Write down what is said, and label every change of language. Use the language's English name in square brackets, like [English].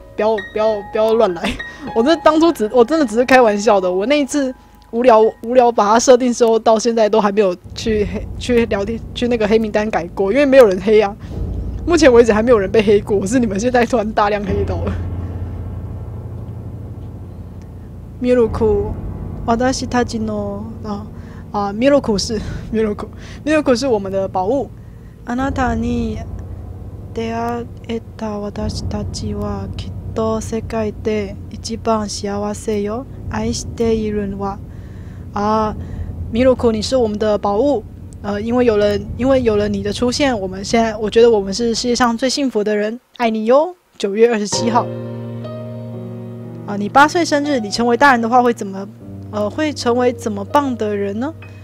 [Chinese] 不要乱来！我真的只是开玩笑的。我那一次无聊把它设定之后，到现在都还没有去聊天去那个黑名单改过，因为没有人黑啊。目前为止还没有人被黑过，是你们现在突然大量黑到了。ミルク、 [Japanese] 私たちの [Chinese] 啊，ミルク是我们的宝物。 [Japanese] あなたに出会えた私たちはきっと世界で一番幸せよ。愛しているのは、 [Chinese] 啊，ミルク，你是我们的宝物。因为有了你的出现，我觉得我们是世界上最幸福的人。爱你哟。9月27号。啊，你八岁生日，你成为大人的话会怎么？会成为怎么棒的人呢？